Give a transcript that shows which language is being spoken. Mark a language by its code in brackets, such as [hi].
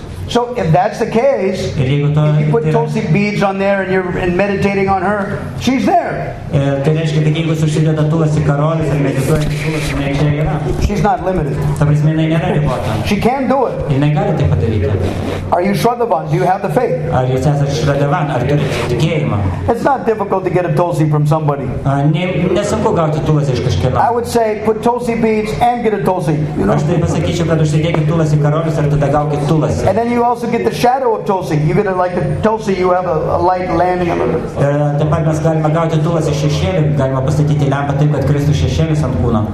[en] So if that's the case, if you put tulsi beads on there and you're meditating on her, she's there. [lt] Tai reiškia, kad jeigu susideda tulsi karolis ir medituoja tulsi, jinai čia yra. [en] She's not limited. [lt] Ta prasme, jinai nėra ribota. [en] She can do it. [lt] Jinai gali tai padaryti. [en] Are you Shraddhavan? Do you have the faith? [lt] Ar jūs esate Shraddhavan? Ar turite tikėjimą? [en] It's not difficult to get a tulsi from somebody. [lt] Nesunku gauti tulsi iš kažkieno. [en] I would say put tulsi beads and get a tulsi. [lt] Aš tai pasakyčiau, kad užsidėkit tulsi karolis ir tada gaukit tulsi. [en] And then you also get the shadow of tulsi. You get a, like a tulsi, you have a light landing on it. [lt] Taip pat mes galime gauti tulsi šešėlį, galima pastatyti lempą taip, kad kristų šešėlis ant kūno.